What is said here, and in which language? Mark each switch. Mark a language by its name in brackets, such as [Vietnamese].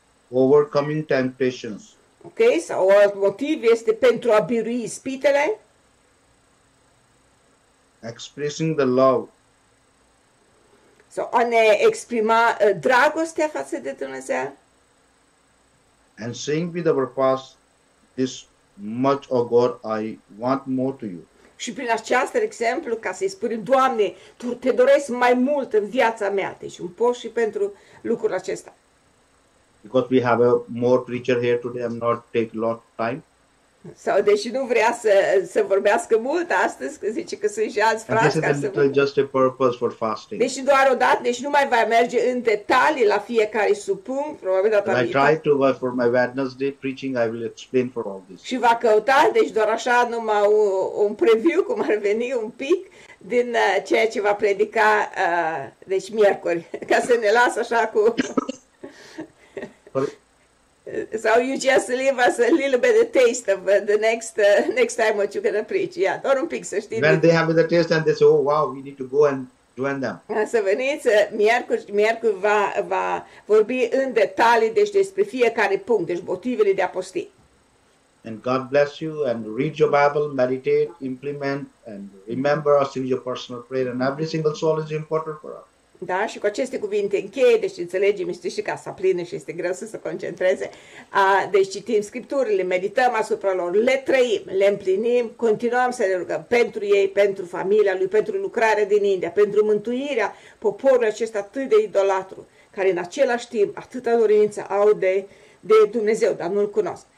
[English] Overcoming temptations. Ok? [Romanian] Sau alt motiv este pentru a birui ispitele? [English] Expressing the love. [Romanian] Sau a ne exprima dragostea față de Dumnezeu? [English] And saying with our past, this much, O God, I want more to you. [Romanian] Și prin aceasta, de exemplu, ca să-i spunem, Doamne, Tu te doresc mai mult în viața mea. Deci un post și pentru lucrul acesta. [English] Because we have a more preacher here today, I'm not take a lot of time. [Romanian] Sau deși nu vrea să vorbească mult astăzi, că zice că sunt și alți frați ca să vorbească. [English] Just a purpose for fasting. [Romanian] Deși doar o dată, deci nu mai va merge în detalii la fiecare supun, probabil data viitoare. [English] I try to go for my Wednesday preaching, I will explain for all this. [Romanian] Și va căuta, deci doar așa, numai un preview, cum ar veni un pic, din ceea ce va predica, deci miercuri, ca să ne lasă așa cu... [English] So you just leave us a little bit of taste of the next time what you're going to preach. [Romanian] Yeah, doar un pic, să știi. [English] When they have the taste and they say, oh, wow, we need to go and join them. [Romanian] Să veniți, miercuri va vorbi în detalii, deci despre fiecare punct, deci motivele de a posti. [English] And God bless you and read your Bible, meditate, implement and remember us in your personal prayer and every single soul is important for us. [Romanian] Da, și cu aceste cuvinte încheie, deci înțelegem, este și casa plină și este greu să se concentreze. Deci citim scripturile, medităm asupra lor, le trăim, le împlinim, continuăm să ne rugăm pentru ei, pentru familia lui, pentru lucrarea din India, pentru mântuirea poporului acesta atât de idolatru, care în același timp atâta dorință au de Dumnezeu, dar nu-L cunosc.